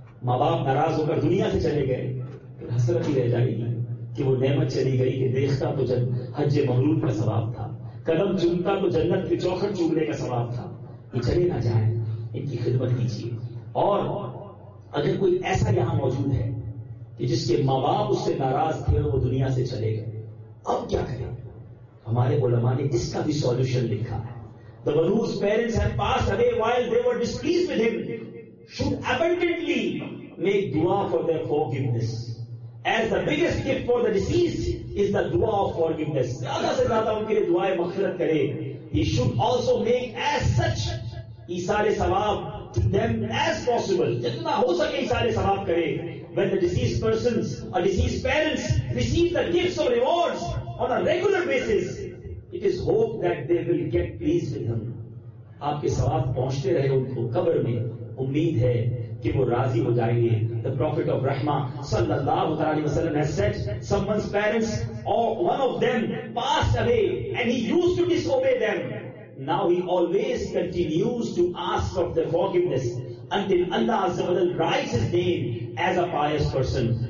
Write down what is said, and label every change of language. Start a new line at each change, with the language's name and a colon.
Urdu: ماں باپ ناراض ہو کر دنیا سے چلے گئے, پھر حسرت ہی رہ جائے گی کہ وہ نعمت چلی گئی کہ دیکھتا تو جب حج مغلوب کا ثواب تھا, قدم چومتا تو جنت کے چوکھٹ چومنے کا ثواب تھا. یہ چلے نہ جائیں, ان کی خدمت کیجیے. اور اگر کوئی ایسا یہاں موجود ہے کہ جس کے ماں باپ اس سے ناراض تھے اور وہ دنیا سے چلے گئے, اب کیا کریں؟ ہمارے علماء نے اس کا بھی سولوشن لکھا ہے.
English: The Manu's parents had passed away while they were displeased with him should abundantly make dua for their forgiveness as the biggest gift for the deceased is the dua of forgiveness.
Urdu: زیادہ سے زیادہ ان کے لئے دعائے مغفرت کرے.
English: He should also make as such ایثار ثواب to them as possible.
Urdu: جتنا ہو سکے ایثار ثواب کرے.
English: When the deceased persons or deceased parents receive the gifts or rewards on a regular basis, it is hope that they will get pleased with him.
Urdu: آپ کے ثواب پہنچتے رہے ان کو قبر میں, امید ہے کہ وہ راضی ہو جائیں گے.
English: The Prophet of Rahma صلی اللہ علیہ وسلم has said, someone's parents or one of them passed away and he used to disobey them. Now he always continues to ask of their forgiveness until Allah عز و جل writes his name as a pious person.